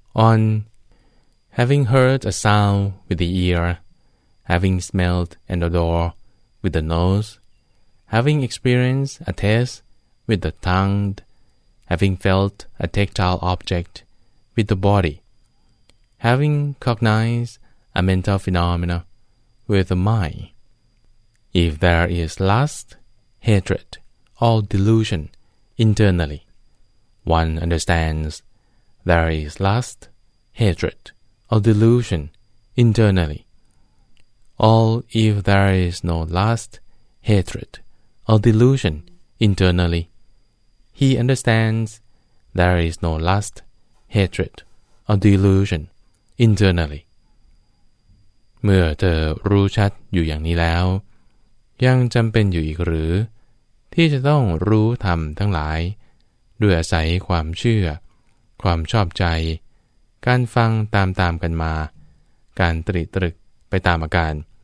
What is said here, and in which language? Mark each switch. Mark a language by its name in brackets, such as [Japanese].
[English] On having heard a sound with the ear, having smelled an odor with the nose, having experienced a taste with the tongue, having felt a tactile object with the body, having cognized a mental phenomena with the mind, if there is lust, hatred, or delusion internally, one understands there is lust, hatred, or delusion internally. All if there is no lust, hatred, or delusion internally, he understands there is no lust, hatred, or delusion internally. [Thai] เมื่อเธอรู้ชัดอยู่อย่างนี้แล้วยังจำเป็นอยู่อีกหรือที่จะต้องรู้ธรรมทั้งหลายด้วยอาศัยความเชื่อความชอบใจการฟังตามกันมาการตริตรึกไปตามอาการ